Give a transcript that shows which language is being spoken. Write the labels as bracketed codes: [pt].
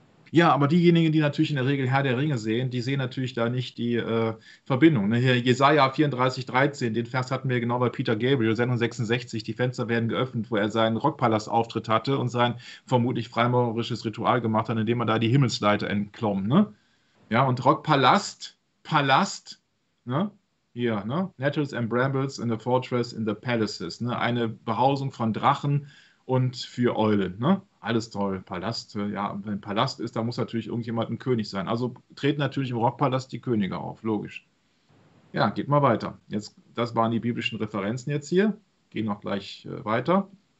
[de] Ja, aber diejenigen, die natürlich in der Regel Herr der Ringe sehen, die sehen natürlich da nicht die Verbindung. Ne? Hier Jesaja 34, 13, den Vers hatten wir genau bei Peter Gabriel, Sendung 66, die Fenster werden geöffnet, wo er seinen Rockpalast-Auftritt hatte und sein vermutlich freimaurerisches Ritual gemacht hat, indem er da die Himmelsleiter entklomm. Ne? Ja, und Rockpalast, Palast, ne? Hier, ne? [en] Nettles and Brambles in the Fortress in the Palaces. [de] Ne? Eine Behausung von Drachen und für Eulen, ne? Alles toll, Palast, ja, wenn Palast ist, da muss natürlich irgendjemand ein König sein. Also treten natürlich im Rockpalast die Könige auf, logisch. Ja, geht mal weiter. Jetzt, das waren die biblischen Referenzen jetzt hier. Gehen noch gleich weiter.